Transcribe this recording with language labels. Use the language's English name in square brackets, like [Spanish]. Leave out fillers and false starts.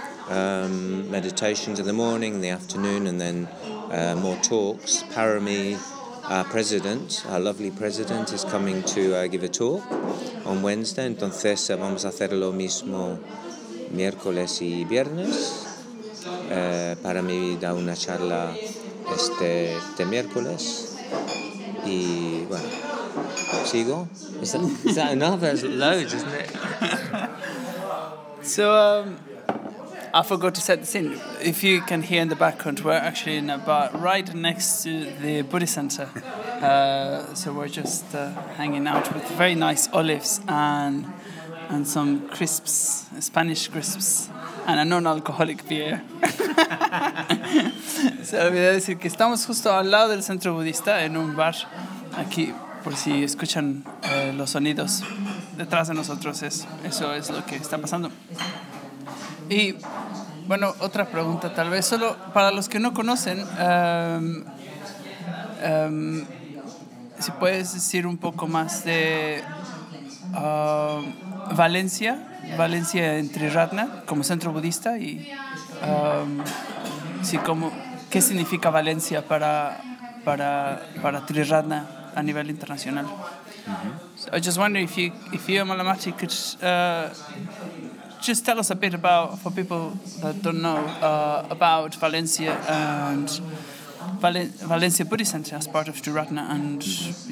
[English] Meditations in the morning, in the afternoon, and then more talks. Parami, our president, our lovely president, is coming to give a talk on Wednesday. [Spanish] Entonces vamos a hacer lo mismo miércoles y viernes. Parami da una charla este miércoles. Y bueno, sigo. [English] Is that enough? There's loads, isn't it? So, I forgot to set the scene. If you can hear in the background, we're actually in a bar right next to the Buddhist Center. So we're just hanging out with very nice olives and some crisps, Spanish crisps, and a non-alcoholic beer. [Spanish] Se olvidó decir que estamos justo al lado del Centro Budista en un bar. Aquí, por si escuchan los sonidos detrás de nosotros, eso es lo que está pasando. Y bueno, otra pregunta tal vez, solo para los que no conocen, si puedes decir un poco más de Valencia, Valencia entre Ratna, como centro budista. Y sí, como, ¿qué significa Valencia para Tri Ratna a nivel internacional? [English] Mm-hmm. So I just wonder if you, Malamati, could just tell us a bit about, for people that don't know, about Valencia and Valencia Buddhist Center as part of Tri Ratna, and mm-hmm.